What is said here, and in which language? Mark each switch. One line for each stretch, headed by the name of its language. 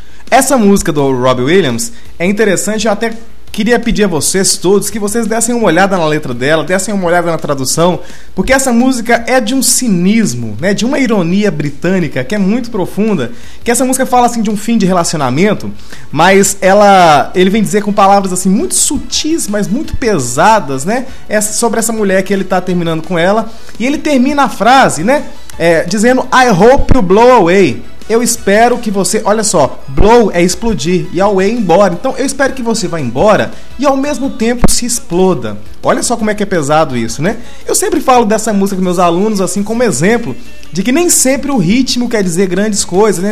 Portuguese: Essa música do Robbie Williams é interessante. Eu até queria pedir a vocês todos que vocês dessem uma olhada na letra dela, dessem uma olhada na tradução, porque essa música é de um cinismo, né? De uma ironia britânica que é muito profunda. Que essa música fala assim de um fim de relacionamento, mas ele vem dizer com palavras assim muito sutis, mas muito pesadas, né? Sobre essa mulher que ele tá terminando com ela. E ele termina a frase, né? Dizendo:
English: I hope you blow away.
Portuguese: Eu espero que você, olha só, blow é explodir e away é embora. Então eu espero que você vá embora e ao mesmo tempo se exploda. Olha só como é que é pesado isso, né? Eu sempre falo dessa música com meus alunos assim como exemplo de que nem sempre o ritmo quer dizer grandes coisas, né?